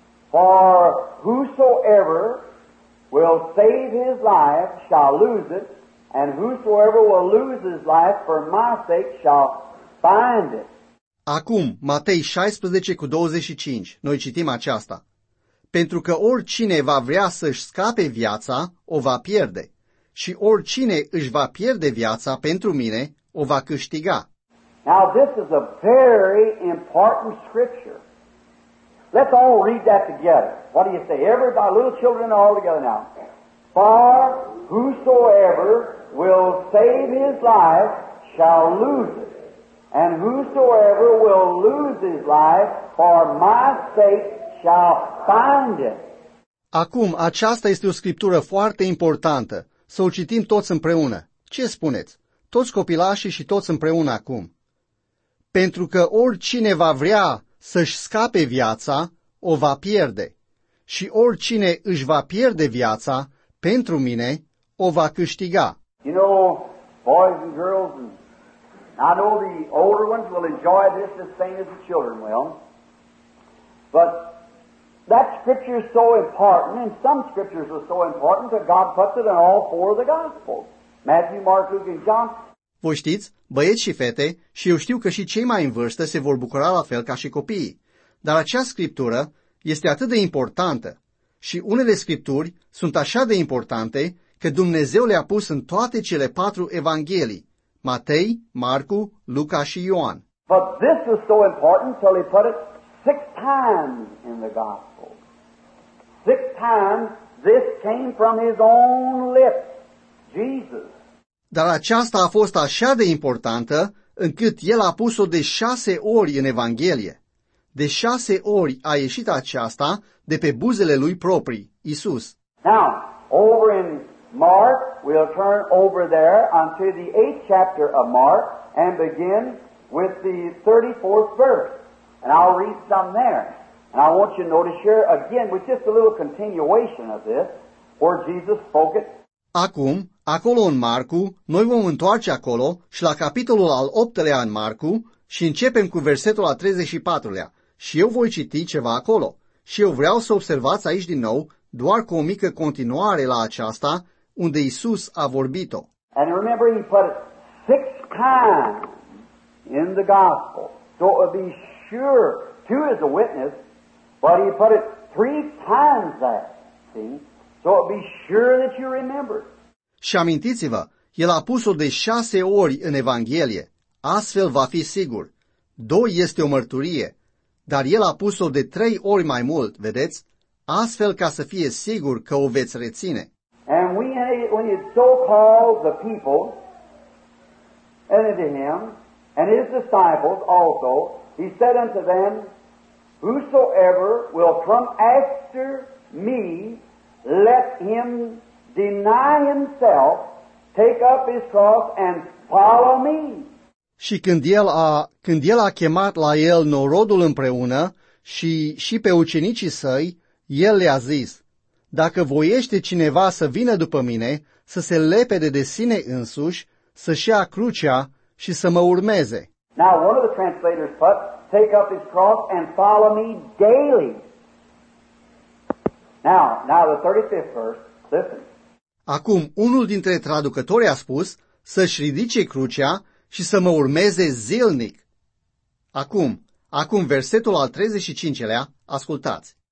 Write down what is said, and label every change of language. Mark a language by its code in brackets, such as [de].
[en] For whosoever will save his life shall lose it, and whosoever will lose his life for my sake shall find it. [ro] Acum, Matei 16:25, noi citim aceasta. Pentru că oricine va vrea să-și scape viața, o va pierde. Și oricine își va pierde viața pentru mine, o va câștiga. [en] Now this is a very important scripture. Let's all read that together. What do you say? Everybody, little children all together now. For whosoever will save his life shall lose it. And whosoever will lose his life for my sake shall find it. [ro] Acum, aceasta este o scriptură foarte importantă. Să o citim toți împreună. Ce spuneți? Toți copilașii și toți împreună acum. Pentru că oricine va vrea să-și scape viața, o va pierde. Și oricine își va pierde viața, pentru mine, o va câștiga. [en] You know, boys and girls, and I know the older ones will enjoy this the same as the children will. But that scripture is so important, and some scriptures are so important that God puts it in all four of the Gospels. Matthew, Mark, Luke, and John. [ro] Vă știți, băieți și fete, și eu știu că și cei mai în vârstă se vor bucura la fel ca și copiii, dar acea scriptură este atât de importantă și unele scripturi sunt așa de importante că Dumnezeu le-a pus în toate cele patru evanghelii, Matei, Marcu, Luca și Ioan. [en] But this is so important till he put it six times in the gospel. Six times this came from his own lips, Jesus. [ro] Dar aceasta a fost așa de importantă încât el a pus-o de 6 ori în Evanghelie. De 6 ori a ieșit aceasta de pe buzele lui proprii, Iisus. [en] Now, over in Mark, we'll turn over there until the 8th chapter of Mark and begin with the 34th verse. And I'll read some there. And I want you to notice here again with just a little continuation of this where Jesus spoke it. [ro] Acum, acolo în Marcu, noi vom întoarce acolo și la capitolul al 8-lea în Marcu și începem cu versetul al 34-lea. Și eu voi citi ceva acolo. Și eu vreau să observați aici din nou doar cu o mică continuare la aceasta unde Iisus a vorbit-o. [en] And remember he put it 6 times in the gospel. So it would be sure, 2 is a witness, but he put it 3 times that, see? So it would be sure that you remember. [ro] Și amintiți-vă, el a pus-o de 6 ori în Evanghelie. Astfel va fi sigur. 2 este o mărturie, dar el a pus-o de 3 ori mai mult, vedeți? Astfel ca să fie sigur că o veți reține. [en] And when he so-called the people and unto him and his disciples also, he said unto them, whosoever will come after me, let him deny himself, take up his cross and follow me. [ro] Și când el a chemat la el norodul împreună și pe ucenicii săi, el le-a zis: dacă voiește cineva să vină după mine, să se lepede de sine însuși, să-și ia crucea și să mă urmeze. [en] Now one of the translators put, take up his cross and follow me daily. Now the 35th verse, listen. [ro] Acum unul dintre traducători a spus să-și ridice crucea și să mă urmeze zilnic. Acum versetul al 35-lea, ascultați.